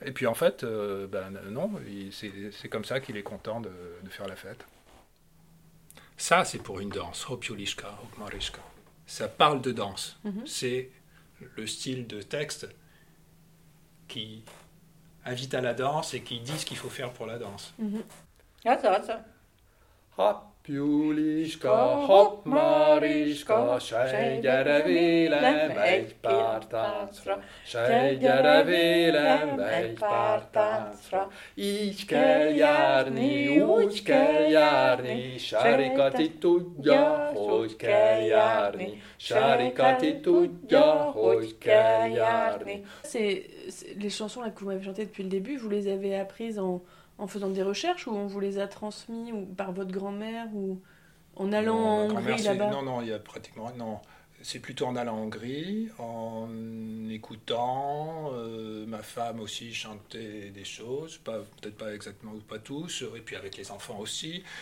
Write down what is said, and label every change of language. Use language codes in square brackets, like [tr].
[fr] Et puis, en fait, ben, non, c'est comme ça qu'il est content de faire la fête. Ça, c'est pour une danse, Hopiulishka, Hopmarishka. Ça parle de danse. Mm-hmm. C'est le style de texte qui invite à la danse et qui dit ce qu'il faut faire pour la danse. Mm-hmm. Ah, ça, ça. Hop. [hu] Júliska, hopp, Mariska, sejj, gyere vélem egy pár táncra, sejj, gyere vélem egy pár táncra. Így kell járni, úgy kell járni, Sárikati tudja, hogy kell járni, Sárikati tudja, hogy kell járni. [fr] Les chansons que vous m'avez chantées depuis le début, vous les avez apprises en faisant des recherches, ou on vous les a transmis ou par votre grand-mère, ou en allant non, en Hongrie là-bas? Non, non, il y a pratiquement... Non, c'est plutôt en allant en Hongrie, en écoutant ma femme aussi chanter des choses, pas, peut-être pas exactement ou pas tous, et puis avec les enfants aussi.